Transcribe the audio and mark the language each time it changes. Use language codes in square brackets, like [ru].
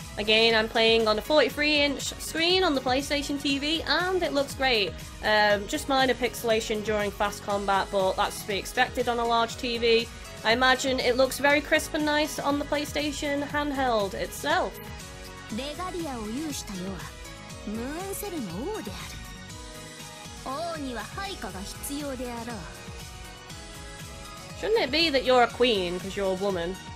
[en] Again, I'm playing on a 43-inch screen on the PlayStation TV and it looks great. Just minor pixelation during fast combat, but that's to be expected on a large TV. I imagine it looks very crisp and nice on the PlayStation handheld itself. [ja] レガリアを有した世はムーンセルの王である。王には配下が必要であろう。 [en] Shouldn't it be that you're a queen because you're a woman?